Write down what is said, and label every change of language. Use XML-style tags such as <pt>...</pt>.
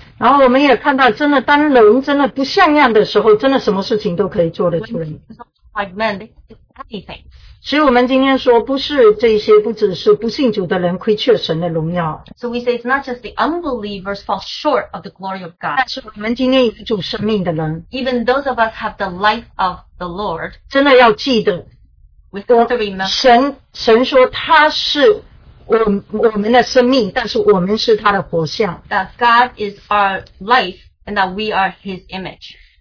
<zh>然后我们也看到，真的当人真的不像样的时候，真的什么事情都可以做得出来。</zh> <en>Like men, they can do anything.</en> <zh>所以我们今天说，不是这些，不只是不信主的人亏缺神的荣耀。</zh> <en>So we say it's not just the unbelievers fall short of the glory of God.</en> <zh>但是我们今天有主生命的人，</zh> <en>Even those of us have the life of the Lord.</en> <zh>真的要记得，</zh> <en>We have to remember.</en> <zh>神说他是我们的生命，但是我们是他的活像。</zh> <en>That God is our life, and that we are His image.</en>